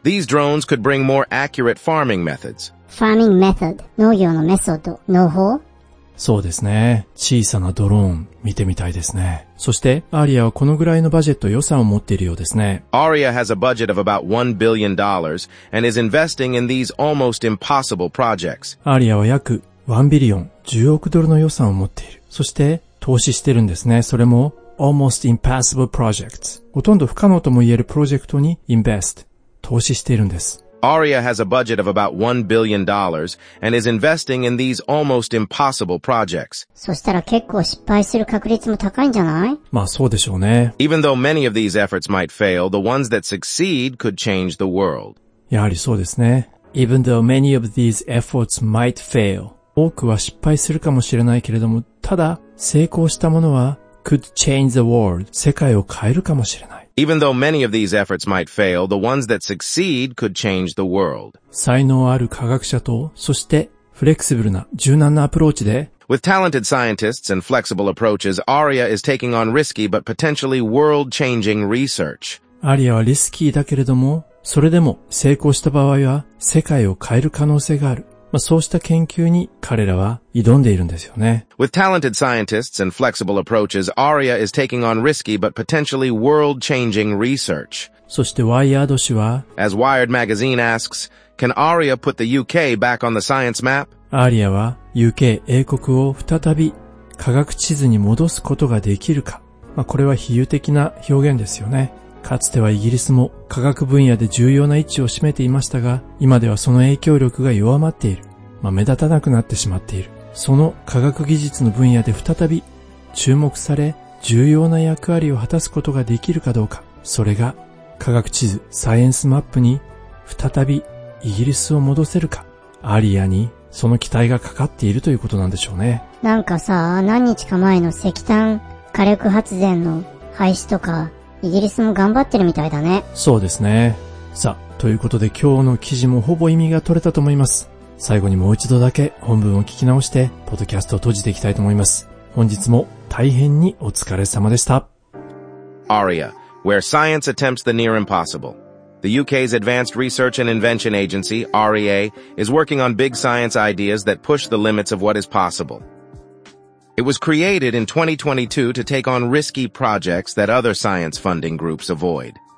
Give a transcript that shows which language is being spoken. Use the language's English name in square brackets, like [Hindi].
[English] These drones could bring more accurate farming methods. Farming method, [Japanese] 農業のメソッド、農法。そうですね。小さなドローン見てみたいですね。そして、アリアはこのぐらいのバジェット予算を持っているようですね。 [English] Aria has a budget of about $1 billion and is investing in these almost impossible projects. [Japanese] アリアは約1ビリオン、10億ドルの予算を持っている。そして、投資してるんですね。それも、 [English] almost impossible project. [Japanese] ほとんど不可能とも言えるプロジェクトに invest、投資しているんです。 [English] Aria has a budget of about $1 billion and is investing in these almost impossible projects. [Japanese] そしたら結構失敗する確率も高いんじゃない？まあそうでしょうね。 [English] Even though many of these efforts might fail, the ones that succeed could change the world. [Japanese] やはりそうですね。 [English] Even though many of these efforts might fail. [Japanese] 多くは失敗するかもしれないけれども、ただ成功したものは [English] could change the world. [Japanese] 世界を変えるかもしれない。 [English] Even though many of these efforts might fail, the ones that succeed could change the world. [Japanese] 才能ある科学者と、そしてフレキシブルな柔軟なアプローチで。 [English] With talented scientists and flexible approaches, Aria is taking on risky but potentially world-changing research. [Japanese] Aria はリスキーだけれども、それでも成功した場合は世界を変える可能性がある。まあ、そうした研究に彼らは挑んでいるんですよね。 [English] With talented scientists and flexible approaches, Aria is taking on risky but potentially world-changing research. [Japanese] そしてワイヤード氏は、 [English] As Wired Magazine asks, can Aria put the UK back on the science map? [Japanese] アリアは UK 英国を再び科学地図に戻すことができるか。まあ、これは比喩的な表現ですよね。かつてはイギリスも科学分野で重要な位置を占めていましたが、今ではその影響力が弱まっている。まあ、目立たなくなってしまっている。その科学技術の分野で再び注目され、重要な役割を果たすことができるかどうか。それが科学地図、サイエンスマップに再びイギリスを戻せるか。アリアにその期待がかかっているということなんでしょうね。なんかさ、何日か前の石炭火力発電の廃止とか、イギリスも頑張ってるみたいだね。そうですね。さあ、ということで今日の記事もほぼ意味が取れたと思います。最後にもう一度だけ本文を聞き直してポッドキャストを閉じていきたいと思います。本日も大変にお疲れ様でした。 [English] Aria, where science attempts the near impossible. The UK's Advanced Research and Invention Agency, REA, is working on big science ideas that push the limits of what is possible. It was created in 2022 to take on risky projects that other science funding groups avoid.